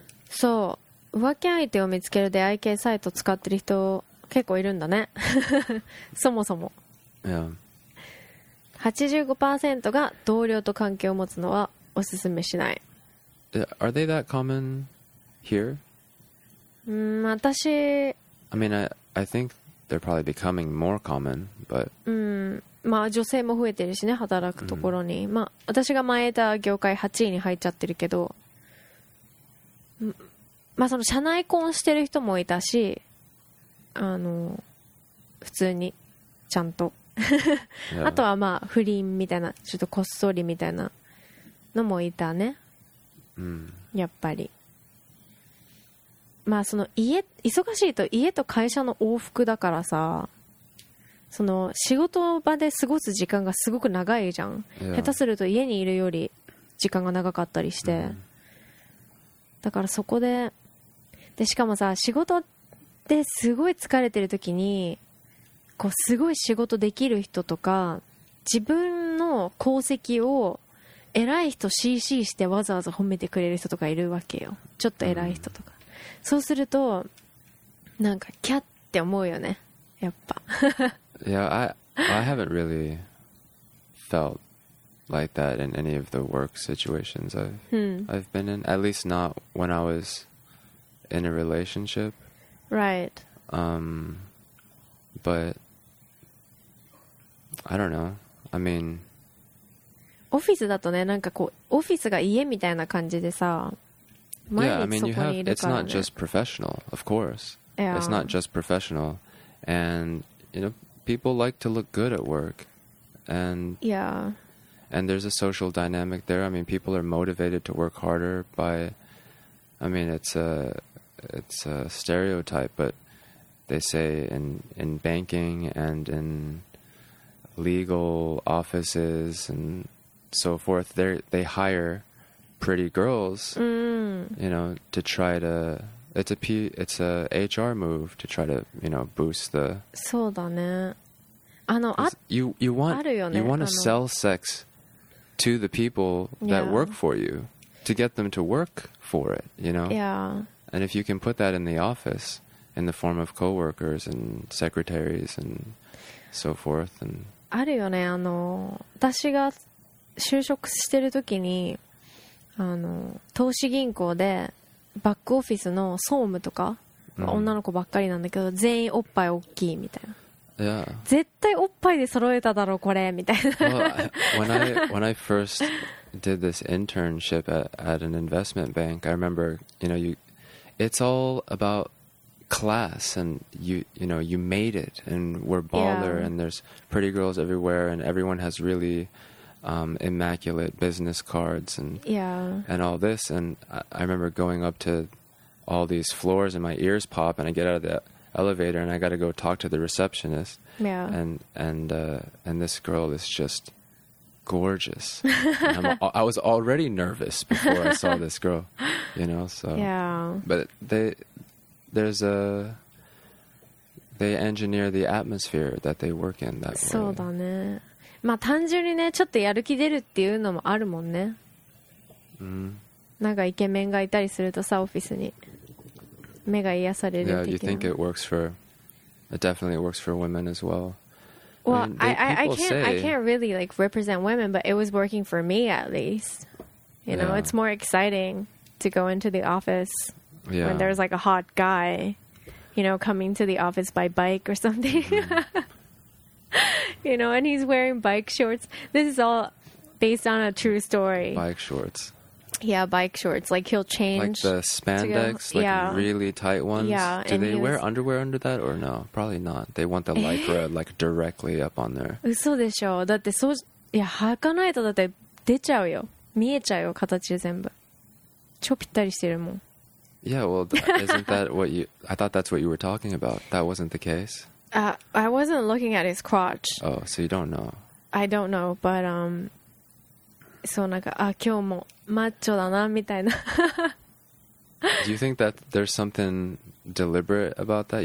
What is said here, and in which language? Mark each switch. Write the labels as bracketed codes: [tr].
[en] So, [ja] 浮気相手を見つける出会い系サイト使ってる人結構いるんだね。そもそも、 [en] yeah. [ja] 85% が同僚と関係を持つのはおすすめしない。 [en] Are they that common here? [ja] 私、 [en] I mean, I think they're probably becoming more common, but [ja] まあ女性も増えてるしね、働くところに、まあ私が前いた業界8位に入っちゃってるけど、まあその社内婚してる人もいたし、普通にちゃんと、あとはまあ不倫みたいな、ちょっとこっそりみたいなのもいたね。やっぱり、まあその家忙しいと家と会社の往復だからさ、その仕事場で過ごす時間がすごく長いじゃん。下手すると家にいるより時間が長かったりして、だからそこで、でしかもさ、仕事ですごい疲れてる時にこうすごい仕事できる人とか、自分の功績を偉い人 CC してわざわざ褒めてくれる人とかいるわけよ、ちょっと偉い人とか、そうするとなんかキャッって思うよねやっぱ。 [en] Yeah, I haven't really felt like that in any of the work situations I've been in, at least not when I wasin a relationship. Right. But I don't know. I mean, [ja] オフィスだとね、なんかこうオフィスが家みたいな感じでさ、毎日そこにいるからね。 [en] It's not just professional, of course. Yeah. It's not just professional. And, you know, people like to look good at work. And, yeah. And there's a social dynamic there. I mean, people are motivated to work harder by, I mean, it's a stereotype, but they say in banking and in legal offices and so forth, they hire pretty girls, you know, to try to, it's a HR move to try to, you know, boost the, [ja] そうだね。あの、あ、 [en] you want, [ja] あるよね。 [en] You want to sell sex to the people that work for you to get them to work for it, you know? Yeah. And if you can put that in the office, in the form of coworkers and secretaries and so forth, and [ja] あるよね。あの、私が就職してる時に、投資銀行でバックオフィスの総務とか、うん、女の子ばっかりなんだけど全員おっぱい大きいみたいな。 [en] Yeah. [ja] 絶対おっぱいで揃えただろうこれみたいな。 [en] Well, when I first did this internship at an investment bank, I remember, you know, it's all about class and you made it and we're baller、yeah. and there's pretty girls everywhere and everyone has really、immaculate business cards and、 yeah. and all this. And I remember going up to all these floors and my ears pop and I get out of the elevator and I got to go talk to the receptionist. Yeah. And this girl is just gorgeous. I was already nervous before I saw this girl, you know, so. Yeah. But they engineer the atmosphere that they work in that way. [ja] そうだね。まあ単純にね、ちょっとやる気出るっていうのもあるもんね。 Mm. なんかイケメンがいたりするとさ、オフィスに。目が癒される的な。 [en] Yeah, you think it works for, it definitely works for women as well. Well, I can't really like represent women, but it was working for me at least. You know, it's more exciting to go into the office when there's like a hot guy, you know, coming to the office by bike or something. You know, and he's wearing bike shorts. This is all based on a true story. Bike shorts. Yeah, bike shorts. Like he'll change. Like the spandex, like really tight ones. Yeah. Do they wear underwear under that or no? Probably not. They want the lycra like directly up on there. [ja] 嘘でしょ。だってそう、いや、履かないとだって出ちゃうよ。見えちゃうよ、形全部。超ぴったりしてるもん。 [en] Yeah, well, isn't that what you, I thought that's what you were talking about. That wasn't the case. I wasn't looking at his crotch. Oh, so you don't know. I don't know, but, [ja] そうなんか、あ、今日もマッチョだなみたいな。 [en] Do you think that there's something deliberate about that?